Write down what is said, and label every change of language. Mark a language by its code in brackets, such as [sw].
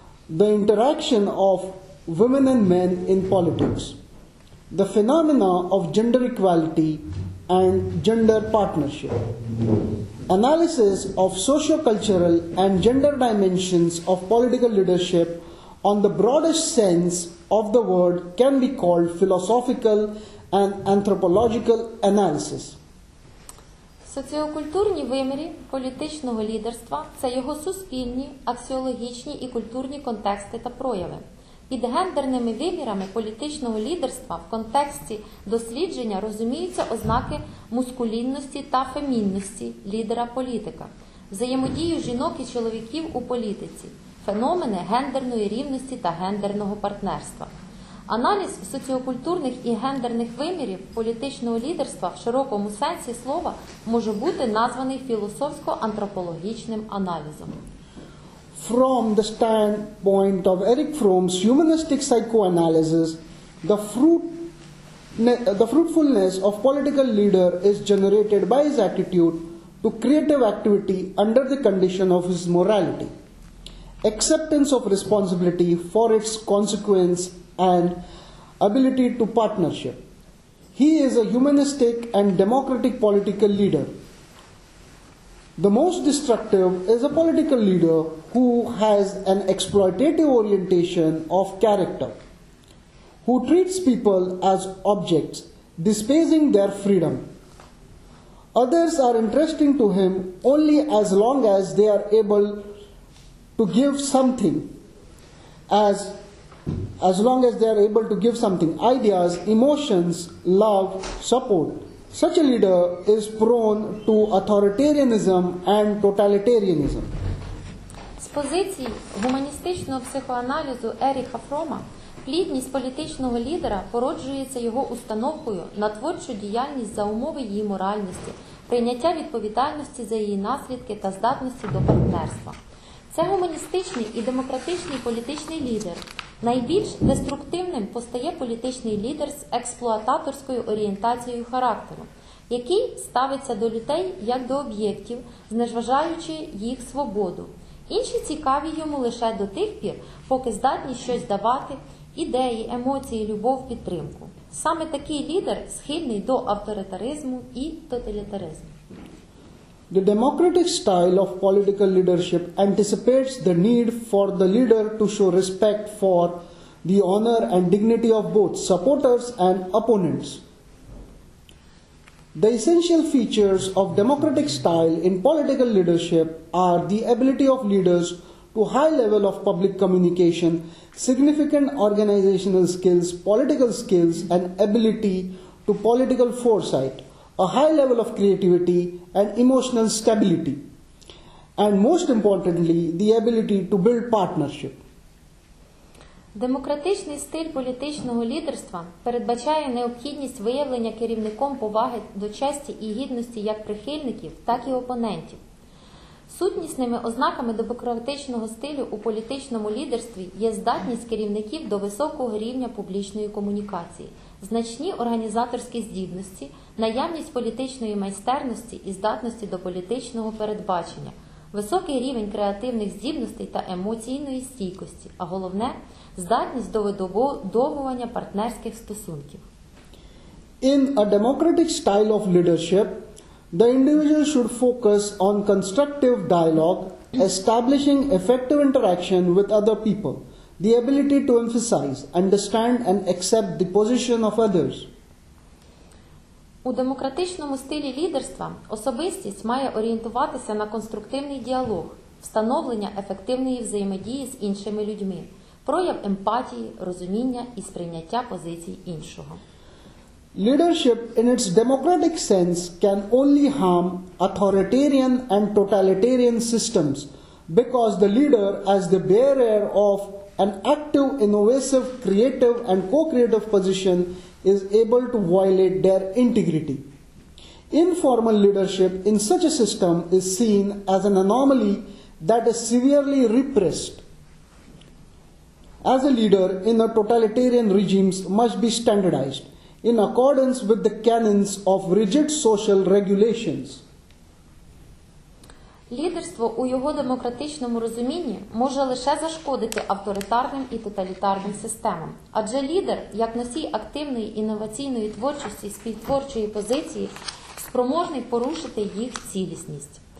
[en] The interaction of women and men in politics, the phenomena of gender equality and gender partnership. Analysis of socio-cultural and gender dimensions of political leadership on the broadest sense of the word can be called philosophical and anthropological analysis. [uk] Соціокультурні вимірі політичного лідерства – це його суспільні, аксіологічні і культурні контексти та прояви. Під гендерними вимірами політичного лідерства в контексті дослідження розуміються ознаки мускулінності та фемінності лідера політика, взаємодію жінок і чоловіків у політиці, феномени гендерної рівності та гендерного партнерства. Аналіз соціокультурних і гендерних вимірів політичного лідерства в широкому сенсі слова може бути названий філософсько-антропологічним аналізом. [en] From the standpoint of Erich Fromm's humanistic psychoanalysis, the fruitfulness of political leader is generated by his attitude to creative activity under the condition of his morality. Acceptance of responsibility for its consequence and ability to partnership. He is a humanistic and democratic political leader. The most destructive is a political leader who has an exploitative orientation of character, who treats people as objects, displacing their freedom. Others are interesting to him only as long as they are able to give something, as long as they are able to give something, ideas, emotions, love, support. Such a leader is prone to authoritarianism and totalitarianism. [uk] З позиції гуманістичного психоаналізу Еріха Фрома, плідність політичного лідера породжується його установкою на творчу діяльність за умови її моральності, прийняття відповідальності за її наслідки та здатності до партнерства. Це гуманістичний і демократичний політичний лідер. Найбільш деструктивним постає політичний лідер з експлуататорською орієнтацією характеру, який ставиться до людей як до об'єктів, знезважаючи їх свободу. Інші цікаві йому лише до тих пір, поки здатні щось давати, ідеї, емоції, любов, підтримку. Саме такий лідер схильний до авторитаризму і тоталітаризму. [en] The democratic style of political leadership anticipates the need for the leader to show respect for the honor and dignity of both supporters and opponents. The essential features of democratic style in political leadership are the ability of leaders to high level of public communication, significant organizational skills, political skills, and ability to political foresight, a high level of creativity and emotional stability, and most importantly, the ability to build partnership. [uk] Демократичний стиль політичного лідерства передбачає необхідність виявлення керівником поваги до честі і гідності як прихильників, так і опонентів. Сутнісними ознаками демократичного стилю у політичному лідерстві є здатність керівників до високого рівня публічної комунікації, значні організаторські здібності, наявність політичної майстерності і здатності до політичного передбачення, високий рівень креативних здібностей та емоційної стійкості, а головне – здатність до вибудовування партнерських стосунків. [en] In a democratic style of leadership, the individual should focus on constructive dialogue, establishing effective interaction with other people, the ability to emphasize, understand and accept the position of others. [uk] У демократичному стилі лідерства особистість має орієнтуватися на конструктивний діалог, встановлення ефективної взаємодії з іншими людьми, прояв емпатії, розуміння і сприйняття позицій іншого. [en] Leadership in its democratic sense can only harm authoritarian and totalitarian systems because the leader as the bearer of an active, innovative, creative and co-creative position is able to violate their integrity. Informal leadership in such a system is seen as an anomaly that is severely repressed. As a leader in a totalitarian regime must be standardized in accordance with the canons of rigid social regulations. [uk] Лідерство у його демократичному розумінні може лише зашкодити авторитарним і тоталітарним системам. Адже лідер, як носій активної інноваційної творчості і співтворчої позиції, спроможний порушити їх цілісність.